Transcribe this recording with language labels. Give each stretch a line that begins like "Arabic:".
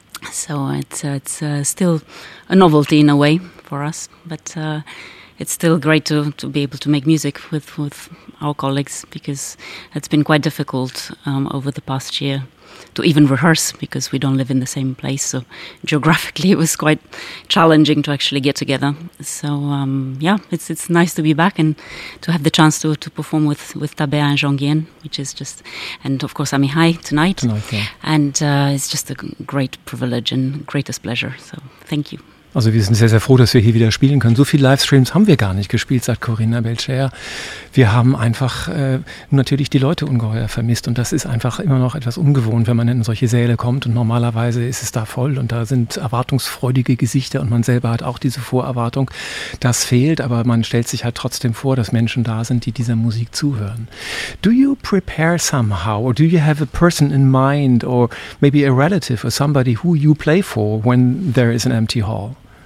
English: So it's still a novelty in a way for us, but it's still great to be able to make music with our colleagues, because it's been quite difficult over the past year to even rehearse, because we don't live in the same place, so geographically it was quite challenging to actually get together. So it's nice to be back and to have the chance to perform with Tabea and Jean Guillen, which is just, and of course Amihai tonight. And it's just a great privilege and greatest pleasure, so thank you.
German: Also wir sind sehr, sehr froh, dass wir hier wieder spielen können. So viele Livestreams haben wir gar nicht gespielt, sagt Corinna Belcher. Wir haben einfach natürlich die Leute ungeheuer vermisst und das ist einfach immer noch etwas ungewohnt, wenn man in solche Säle kommt und normalerweise ist es da voll und da sind erwartungsfreudige Gesichter und man selber hat auch diese Vorerwartung. Das fehlt, aber man stellt sich halt trotzdem vor, dass Menschen da sind, die dieser Musik zuhören.
English: Do you prepare somehow or do you have a person in mind or maybe a relative or somebody who you play for when there is an empty hall?